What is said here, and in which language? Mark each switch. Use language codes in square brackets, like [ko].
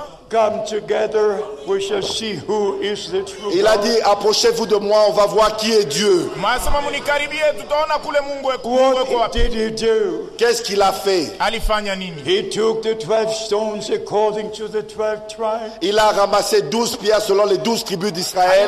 [en] come together, we shall see who is the true God. [fr] Il a dit, approchez-vous de moi, on va voir qui est Dieu. [en] What did he do? [fr] Qu'est-ce qu'il a fait? [en] He took the 12 stones according to the 12 tribes. [fr] Il a ramassé 12 pierres selon les 12 tribus d'Israël.